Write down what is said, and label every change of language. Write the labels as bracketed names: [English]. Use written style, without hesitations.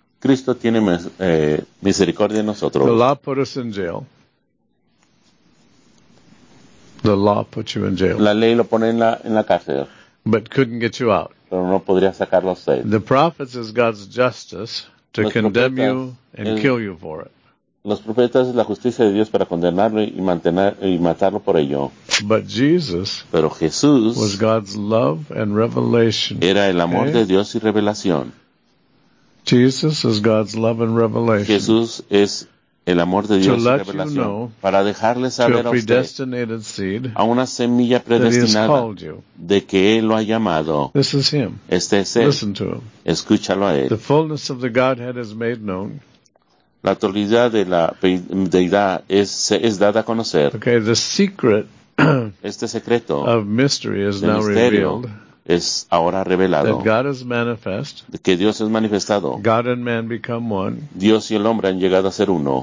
[Spanish] Cristo tiene misericordia en nosotros. [English] The law put us in jail. The law put you in jail. [Spanish] La ley lo pone en la cárcel. [English] But couldn't get you out. [Spanish] Pero no podría sacarlo a usted. [English] The prophets is God's justice to condemn you and kill you for it. [Spanish] Los profetas es la justicia de Dios para condenarlo y matarlo por ello. [English] But Jesus, [Spanish] pero Jesús, [English] was God's love and revelation. [Spanish] Era el amor de Dios y revelación. [English] Jesus is God's love and revelation. [Spanish] Jesús es el amor de Dios [English] to let [Spanish] y revelación. [English] You know, [Spanish] para dejarles saber a [English] predestinated seed, [Spanish] a una semilla predestinada de que Él lo ha llamado. [English] This is him. [Spanish] Este es Él. [English] Listen to him. [Spanish] Escúchalo a Él. [English] The fullness of the Godhead is made known. [Spanish] La autoridad de la deidad es dada a conocer. [English] Okay, the secret [Spanish] este secreto [English] of mystery is now revealed. [Spanish] Es ahora revelado [English] that God is manifest, [Spanish] que Dios es manifestado. [English] God and man become one. [Spanish] Dios y el hombre han llegado a ser uno.